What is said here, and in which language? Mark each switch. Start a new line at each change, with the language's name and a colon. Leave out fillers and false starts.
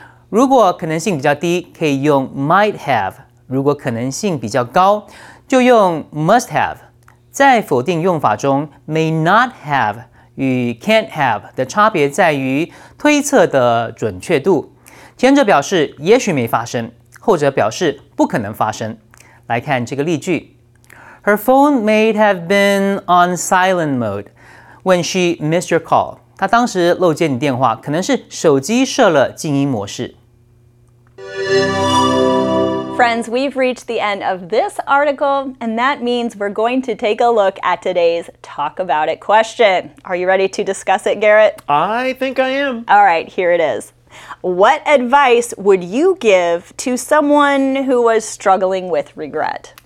Chinese: 如果可能性比较低，可以用
English: might have，
Chinese: 如果可能性比较高，就用
English: must have。
Chinese: 在否定用法中，
English: may not have
Chinese: 与
English: can't have
Chinese: 的差别在于推测的准确度。前者表示也许没发生，后者表示不可能发生。来看这个例句。
English: Her phone may have been on silent mode when she missed your call.
Chinese: 她当时漏接你电话，可能是手机设了静音模式。
English: Friends, we've reached the end of this article, and that means we're going to take a look at today's Talk About It question. Are you ready to discuss it, Garrett? I think I am. All right, here it is. What advice would you give to someone who was struggling with regret?